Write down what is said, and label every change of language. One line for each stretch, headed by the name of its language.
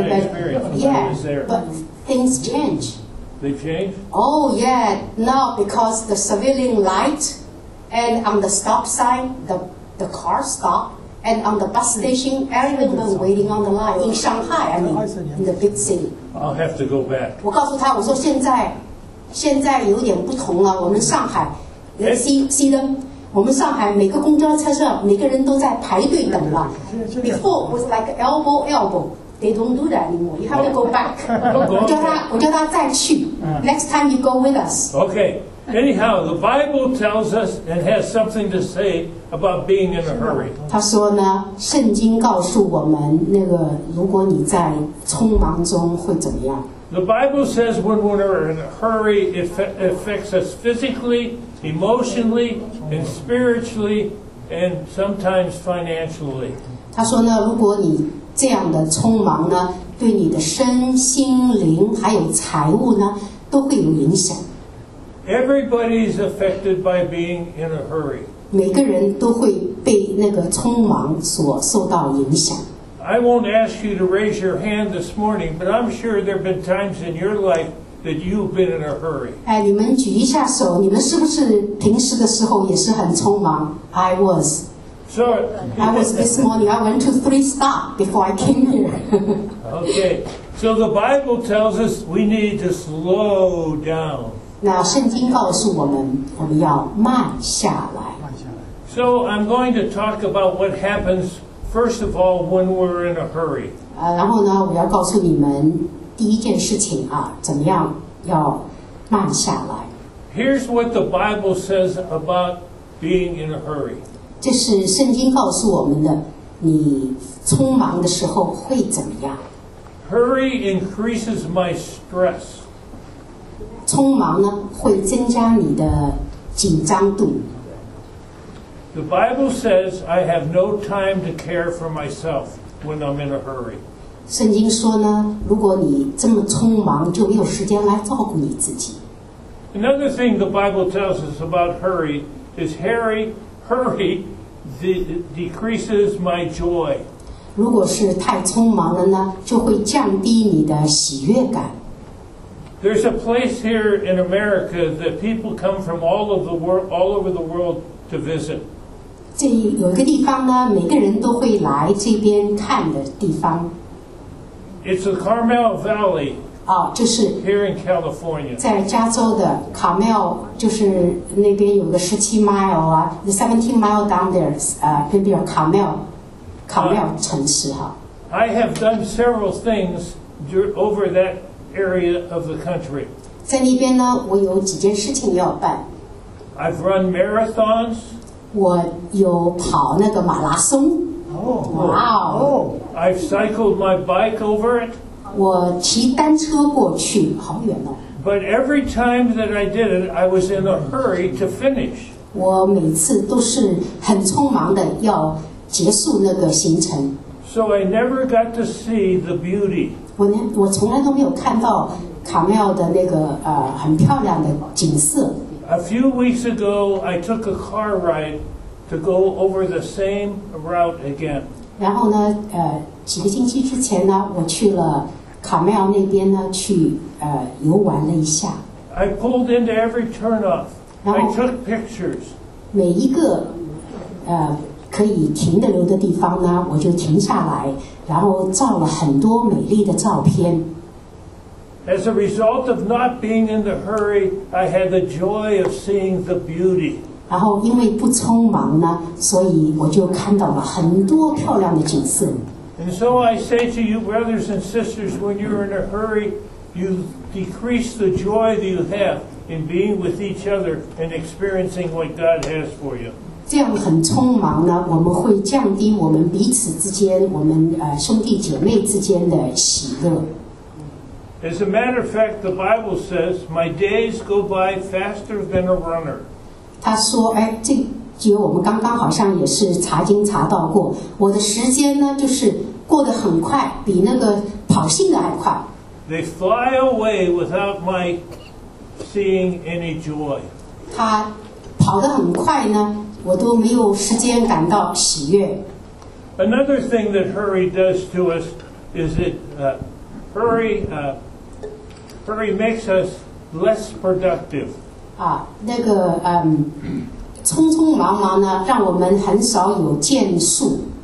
English: like, yeah, but things change. They change? Oh yeah, not because the civilian light and on the stop sign, the car stop, and on the bus station, everyone was waiting on the line in Shanghai, I mean, in the big city. I'll have to go back.
Chinese: 我告诉他，我说现在有点不同了，我们上海
English: see them,
Chinese: 我们上海每个公交车上每个人都在排队等了。
English: Before it was like elbow. They don't do that anymore. You have to go back.
Chinese: 我叫他再去。
English: Next time you go with us. Okay. Anyhow, the Bible tells us and has something to say about being in a hurry.
Chinese: 他说呢，圣经告诉我们那个，如果你在匆忙中会怎么样？
English: The Bible says when we're in a hurry, it affects us physically, emotionally, and spiritually, and sometimes financially.
Chinese: 他说呢，如果你这样的匆忙呢，对你的身心灵还有财务呢，都会有影响。
English: Everybody is affected by being in a hurry.
Chinese: 每个人都会被那个匆忙所受到影响。
English: I won't ask you to raise your hand this morning, but I'm sure there have been times in your life that you've been in a hurry.
Chinese: 哎，你们举一下手，你们是不是平时的时候也是很匆忙 ？
English: I was. So, I was this morning, I went to 3 stops before I came here. Okay, so the Bible tells us we need to slow down.
Chinese: 那圣经告诉我们，我们要慢下来。
English: So I'm going to talk about what happens, first of all, when we're in a hurry.
Chinese: 然后呢，我要告诉你们第一件事情啊，怎么样要慢下来。
English: Here's what the Bible says about being in a hurry.
Chinese: 这是圣经告诉我们的，你匆忙的时候会怎么样
English: ？Hurry increases my stress.
Chinese: 匆忙呢，会增加你的紧张度。
English: The Bible says I have no time to care for myself when I'm in a hurry.
Chinese: 圣经说呢，如果你这么匆忙，就没有时间来照顾你自己。
English: Another thing the Bible tells us about hurry is hurry. Hurry decreases my joy.
Chinese: 如果是太匆忙了呢，就会降低你的喜悦感。
English: There's a place here in America that people come from all over the world to visit.
Chinese: 这有一个地方呢，每个人都会来这边看的地方。
English: It's the Carmel Valley.
Chinese: 啊，就是
English: here in California.
Chinese: 在加州的卡缪。就是那边有个17 mile 啊 ，
English: 17 mile down there，
Chinese: 那边有卡缪城市哈。
English: I have done several things over that area of the country。
Chinese: 在那边呢，我有几件事情要办。
English: I've run marathons。
Chinese: 我有跑那个马拉松。
English: Oh, wow. I've cycled my bike over it。
Chinese: 我骑单车过去，好远哦。
English: But every time that I did it, I was in a hurry to finish.
Chinese: 我每次都是很匆忙的要结束那个行程。
English: So I never got to see the beauty.
Chinese: 我从来都没有看到卡缪的那个很漂亮的景色。
English: A few weeks ago, I took a car ride to go over the same route again.
Chinese: 然后呢，几个星期之前呢，我去了卡妙那边呢去游玩了一下。
English: I pulled into every turnoff. I took pictures.
Chinese: 每一个可以停的留的地方呢，我就停下来，然后照了很多美丽的照片。
English: As a result of not being in the hurry, I had the joy of seeing the beauty.
Chinese: 然后因为不匆忙呢，所以我就看到了很多漂亮的景色。
English: And so I say to you, brothers and sisters, when you're in a hurry, you decrease the joy that you have in being with each other and experiencing what God has for you.
Chinese: 这样很匆忙呢，我们会降低我们彼此之间，我们兄弟姐妹之间的喜乐。
English: As a matter of fact, the Bible says, "My days go by faster than a runner."
Chinese: 他说，哎，这节我们刚刚好像也是查经查到过，我的时间呢，就是过得很快，比那个跑信的还快。
English: They fly away without my seeing any joy.
Chinese: 他跑得很快呢，我都没有时间感到喜悦。
English: Another thing that hurry does to us is it hurry makes us less productive.
Chinese: 啊，那个匆匆忙忙呢，让我们很少有建树。